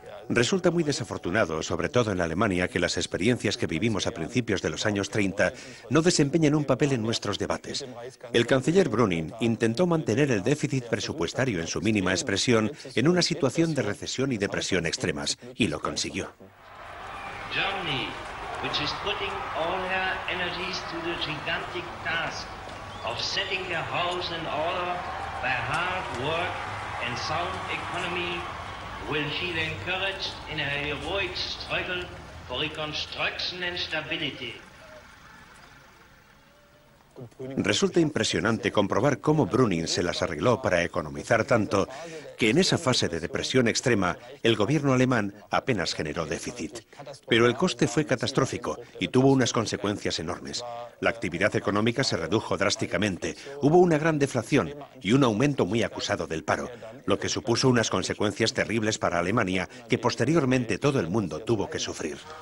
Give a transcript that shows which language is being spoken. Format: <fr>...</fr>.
<es>Resulta muy desafortunado, sobre todo en Alemania, que las experiencias que vivimos a principios de los años 30 no desempeñen un papel en nuestros debates. El canciller Brüning intentó mantener el déficit presupuestario en su mínima expresión en una situación de recesión y depresión extremas, y lo consiguió.</es> <en>Germany, which is putting all her energies to the gigantic task of setting the house in order by hard work and sound economy, will feel encouraged in her heroic struggle for reconstruction and stability.</en> <es>Resulta impresionante comprobar cómo Brüning se las arregló para economizar tanto que en esa fase de depresión extrema el gobierno alemán apenas generó déficit. Pero el coste fue catastrófico y tuvo unas consecuencias enormes. La actividad económica se redujo drásticamente, hubo una gran deflación y un aumento muy acusado del paro, lo que supuso unas consecuencias terribles para Alemania que posteriormente todo el mundo tuvo que sufrir.</es>